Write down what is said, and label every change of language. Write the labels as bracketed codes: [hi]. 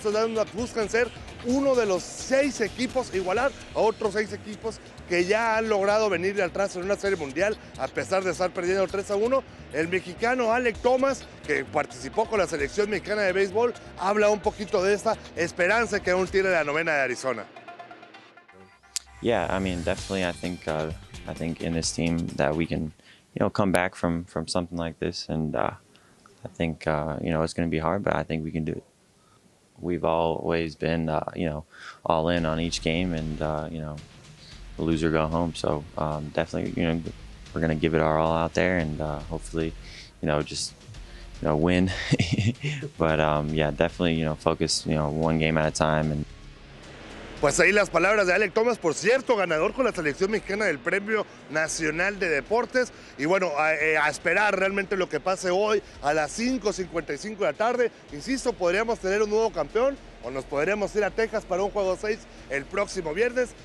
[es] Estos Diamondbacks buscan ser uno de los 6 equipos, igualar a otros 6 equipos que ya han logrado venir de atrás en una Serie Mundial, a pesar de estar perdiendo 3-1. El mexicano Alec Thomas, que participó con la Selección Mexicana de Béisbol, habla un poquito de esta esperanza que aún tiene la novena de Arizona. [en] Yeah, I mean, definitely I think in this team that we can, you know, come back from something like this, and I think you know, it's going to be hard, but I think we can do it. We've always been, you know, all in on each game, and you know, the loser go home. So definitely, you know, we're gonna give it our all out there, and hopefully, you know, just, you know, win. But yeah, definitely, you know, focus, you know, one game at a time. And [es] Pues ahí las palabras de Alec Thomas, por cierto, ganador con la selección mexicana del Premio Nacional de Deportes. Y bueno, a esperar realmente lo que pase hoy a las 5:55 de la tarde. Insisto, podríamos tener un nuevo campeón o nos podríamos ir a Texas para un Juego 6 el próximo viernes.